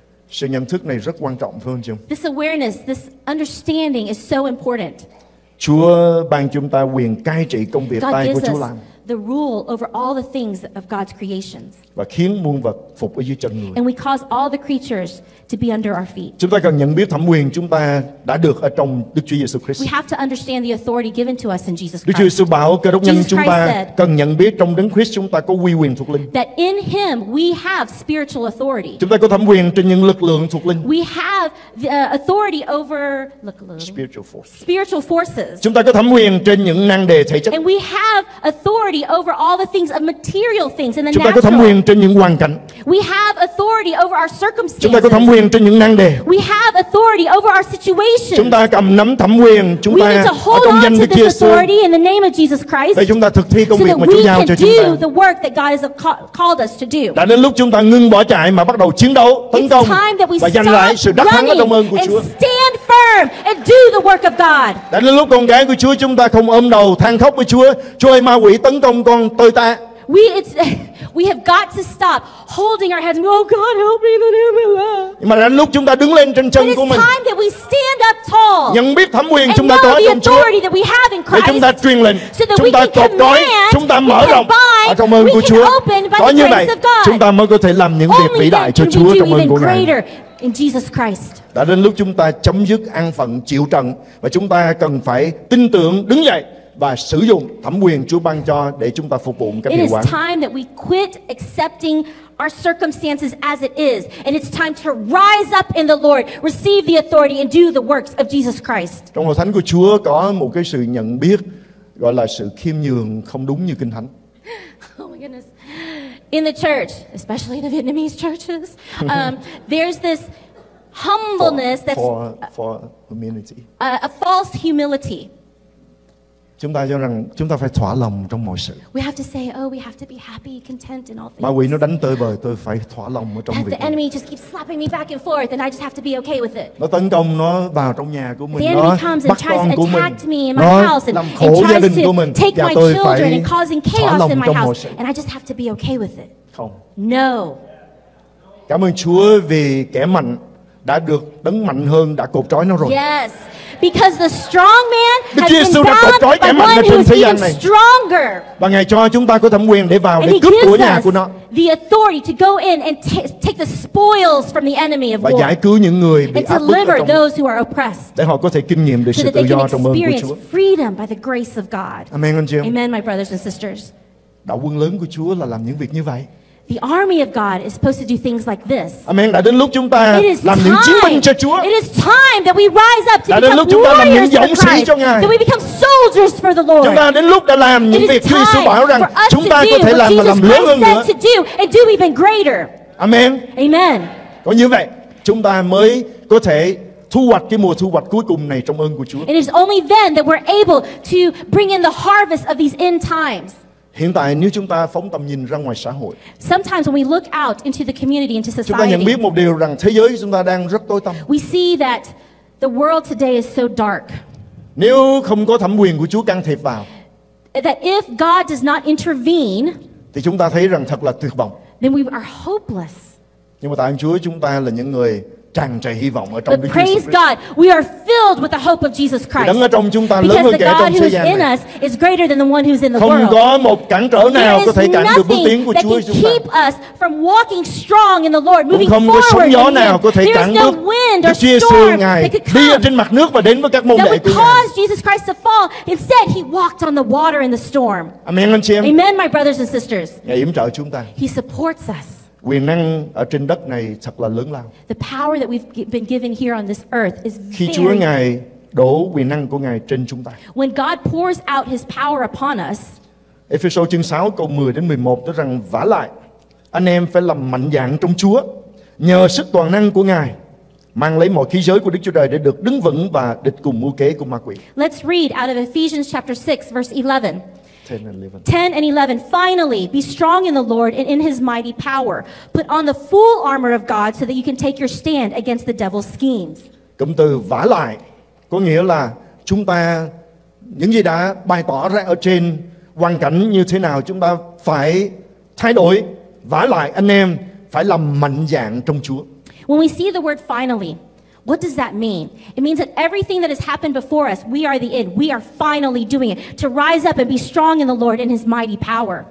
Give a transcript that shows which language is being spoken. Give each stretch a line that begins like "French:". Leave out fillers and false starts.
Vietnamese: Sự nhận thức này rất quan trọng phải không chị?
English: This awareness, this understanding is so important.
Vietnamese: Chúa ban chúng ta quyền cai trị công việc tay của Chúa làm.
English: The rule over all the things of God's creations.
Vietnamese: Và khiến muôn vật phục ở dưới chân người.
English: And we cause all the creatures to be under our feet.
Vietnamese: Chúng ta cần nhận biết thẩm quyền chúng ta đã được ở trong Đức Chúa Giêsu Christ.
English: We have to understand the authority given to us in Jesus Christ.
Vietnamese: Đức Chúa Giêsu bảo Cơ Đốc nhân chúng ta cần nhận biết trong Đấng Christ chúng ta có uy quyền thuộc linh.
English: That in Him we have spiritual authority.
Vietnamese: Chúng ta có thẩm quyền trên những lực lượng thuộc linh.
English: We have the authority over spiritual forces. Spiritual forces.
Vietnamese: Chúng ta có thẩm quyền trên những năng đề thể chất.
English: And we have authority over all the things of material things and the
Vietnamese: chúng Chúng ta có thẩm quyền trên những hoàn cảnh.
English: We have authority over our circumstances.
Vietnamese: Chúng ta có thẩm quyền trên những năng đề.
English: We have authority over our situations.
Vietnamese: Chúng ta cầm nắm thẩm quyền chúng
English: we
Vietnamese: ta ở trong danh Đức Chúa Giêsu.
English: We need to hold on to this authority in the name of Jesus Christ.
Vietnamese: Để chúng ta thực thi công
English: so
Vietnamese: việc mà Chúa giao cho chúng ta.
English: So that we can do the work that God has called us to do.
Vietnamese: Đã đến lúc chúng ta ngừng bỏ chạy mà bắt đầu chiến đấu, tấn công và giành lại sự đắc thắng ở trong ơn của Chúa.
English: Stand firm and do the work of God.
Vietnamese: Đã đến lúc con gái của Chúa chúng ta không ôm đầu than khóc với Chúa. Chúa ơi, ma quỷ tấn công con tôi ta.
English: We have got to stop holding our heads. Oh God, help me, help me.
Vietnamese: Nhưng mà đến lúc chúng ta đứng lên trên chân của mình.
English: It's time that we stand up tall.
Vietnamese: Nhận biết thẩm quyền chúng ta có trong
English: Chúa. That we have in Christ.
Vietnamese: Để chúng ta truyền lệnh.
English: So that
Vietnamese: chúng ta cột trói, chúng ta mở rộng ở trong ơn của Chúa. Có như vậy, chúng ta mới có thể làm những việc vĩ đại cho Chúa trong ơn của Ngài.
English: In Jesus Christ.
Vietnamese: Đã đến lúc chúng ta chấm dứt an phận chịu trận và chúng ta cần phải tin tưởng đứng dậy và sử dụng thẩm quyền Chúa ban cho để chúng ta phục vụ các điều quan.
English: It is time that we quit accepting our circumstances as it is, and it's time to rise up in the Lord, receive the authority, and do the works of Jesus Christ.
Vietnamese: Trong Hội Thánh của Chúa có một cái sự nhận biết gọi là sự khiêm nhường không đúng như Kinh Thánh.
English: Oh my goodness! In the church, especially the Vietnamese churches, there's this humbleness that's for humility. A false humility.
Vietnamese: Chúng ta cho rằng chúng ta phải thỏa lòng trong mọi sự.
English: We have to say, oh, we have to be happy, content in all things.
Vietnamese: Ma quỷ nó đánh tơi bời, tôi phải thỏa lòng ở trong việc.
English: The enemy just keeps slapping me back and forth, and I just have to be okay with it.
Vietnamese: Nó tấn công nó vào trong nhà của mình, nó bắt con của mình, nó làm khổ gia đình của mình, và tôi phải thỏa lòng trong mọi sự.
English: And I just have to be okay with it.
Vietnamese: Không.
English: No.
Vietnamese: Cảm ơn Chúa vì kẻ mạnh đã được đấng mạnh hơn đã cột trói nó rồi.
English: Yes. Because the strong man
Vietnamese: Đức
English: has Jesus been bound
Vietnamese: trói
English: by one who is even stronger.
Vietnamese: Và Ngài cho chúng ta có thẩm quyền để vào để cướp của nhà của nó.
English: The authority to go in and take the spoils from the enemy of war.
Vietnamese: Và giải cứu những người bị áp bức.
English: And deliver those who are oppressed.
Vietnamese: Để họ có thể kinh nghiệm được sự tự do trong ơn của Chúa.
English: Freedom by the grace of God.
Vietnamese: Amen, anh chị em.
English: Amen, my brothers and sisters.
Vietnamese: Đạo quân lớn của Chúa là làm những việc như vậy.
English: The army of God is supposed to do things like this. Amen.
Vietnamese: Đã đến lúc chúng ta làm những chiến binh cho Chúa.
English: It is time that we rise up to
Vietnamese: Đã đến lúc chúng ta làm những dũng sĩ cho Ngài.
English: That we become soldiers for the Lord.
Vietnamese: Chúng ta đến lúc đã làm những việc Chúa Giêsu bảo rằng chúng ta có thể làm và làm lớn hơn nữa.
English: To do and do even greater. Amen. Amen.
Vietnamese: Có như vậy chúng ta mới có thể thu hoạch cái mùa thu hoạch cuối cùng này trong ơn của Chúa.
English: And it's only then that we're able to bring in the harvest of these end times.
Vietnamese: Hiện tại nếu chúng ta phóng tầm nhìn ra ngoài xã hội,
English: sometimes when we look out into the community, into society,
Vietnamese: chúng ta nhận biết một điều rằng thế giới chúng ta đang rất tối tăm.
English: We see that the world today is so dark.
Vietnamese: Nếu không có thẩm quyền của Chúa can thiệp vào,
English: that if God does not intervene,
Vietnamese: thì chúng ta thấy rằng thật là tuyệt vọng.
English: Then we are hopeless.
Vietnamese: Nhưng mà tại ơn Chúa, chúng ta là những người tràn trề hy vọng ở trong Đức Chúa.
English: But praise God, we are filled with the hope of Jesus Christ.
Vietnamese: Đấng ở trong chúng ta lớn hơn kẻ trong thế gian.
English: Because the God who is in us is greater than the one who's in the world.
Vietnamese: Không có một cản trở nào có thể cản được bước tiến của Chúa chúng ta.
English: Keep us from walking strong in the Lord, moving forward.
Vietnamese: Không có sóng gió nào có thể cản được Đức Chúa Ngài đi trên mặt nước và đến với các môn đệ của Ngài.
English: That would cause Jesus Christ to fall. Instead, he walked on the water in the storm.
Vietnamese: Amen, anh chị em.
English: Amen, my brothers and sisters.
Vietnamese: Ngài yểm trợ chúng ta.
English: He supports us.
Vietnamese: Quyền năng ở trên đất này thật là lớn lao.
English: The power that we've been given here on this earth is
Vietnamese: khi Chúa Ngài đổ quyền năng của Ngài trên chúng ta.
English: When God pours out his power upon us.
Vietnamese: Ephesians chương 6 câu 10 đến 11 nói rằng vả lại anh em phải làm mạnh dạn trong Chúa, nhờ sức toàn năng của Ngài mang lấy mọi khí giới của Đức Chúa Trời để được đứng vững và địch cùng mưu kế của ma quỷ.
English: Let's read out of Ephesians chapter 6 verse 11. 10 and 11. Finally, be strong in the Lord and in his mighty power. Put on the full armor of God so that you can take your stand against the devil's schemes.
Vietnamese: Cụm từ vả lại có nghĩa là chúng ta những gì đã bày tỏ ra ở trên hoàn cảnh như thế nào chúng ta phải thay đổi. Vả lại anh em phải làm mạnh dạn trong Chúa.
English: When we see the word finally, what does that mean? It means that everything that has happened before us, we are the end. We are finally doing it. To rise up and be strong in the Lord and his mighty power.